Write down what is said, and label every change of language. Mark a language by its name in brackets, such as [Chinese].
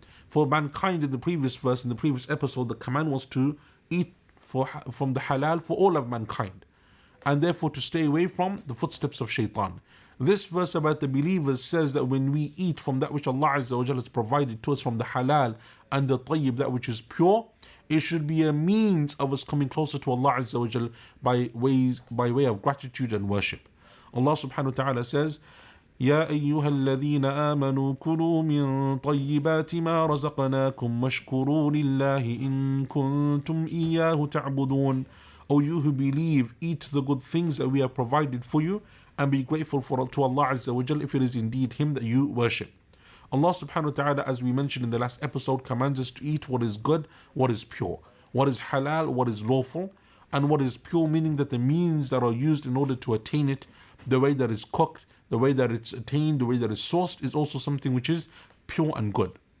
[English] For mankind, in the previous verse, in the previous episode, the command was to eat from the halal for all of mankind, and therefore to stay away from the footsteps of shaitan. This verse about the believers says that when we eat from that which Allah Azza wa Jalla has provided to us, from the halal and the tayyib, that which is pure, it should be a means of us coming closer to Allah Azza wa Jalla by way of gratitude and worship. Allah subhanahu wa ta'ala says, [Arabic] يَا أَيُّهَا الَّذِينَ آمَنُوا كُلُوا مِنْ طَيِّبَاتِ مَا رَزَقَنَاكُمْ وَاشْكُرُوا لِلَّهِ إِن كُنْتُمْ إِيَّاهُ تَعْبُدُونَ. [English] O you who believe, eat the good things that we have provided for you and be grateful to Allah Azza wa Jal if it is indeed Him that you worship. Allah subhanahu wa ta'ala, as we mentioned in the last episode, commands us to eat what is good, what is pure, what is halal, what is lawful, and what is pure, meaning that the means that are used in order to attain it, the way that it's cooked, the way that it's attained, the way that it's sourced, is also something which is pure and good.